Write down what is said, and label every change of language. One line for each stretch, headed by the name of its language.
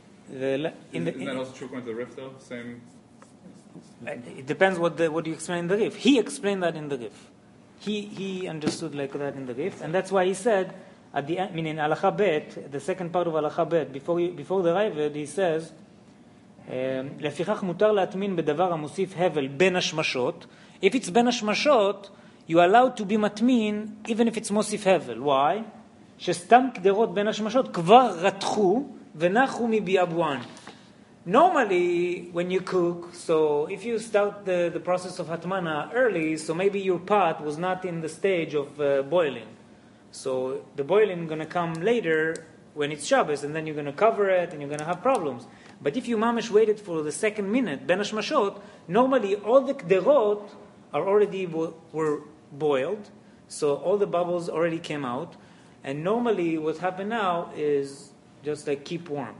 English: Isn't that also true according to the Rif, though? Same. It depends what you explain in the Rif. He explained that in the Rif. He understood like that in the Rif, and that's why he said at the end, meaning alacha bet, the second part of alacha bet before the Raivad, he says.
Hebrew: לפיכך מותר להטמין בדבר המוסיף הבל בין השמשות.
English: If it's בין השמשות, you allowed to be מטמין even if it's מוסיף הבל. Why?
Hebrew: שסתם כדרות בין השמשות כבר רתחו ונחו מביאבואן.
English: Normally, when you cook, so if you start the process of הטמנה early, so maybe your pot was not in the stage of boiling. So the boiling is going to come later when it's Shabbos, and then you're going to cover it and you're going to have problems. But if you mamash waited for the second minute, ben hashmashot, normally all the kderot are already were boiled, so all the bubbles already came out, and normally what happened now is just like keep warm.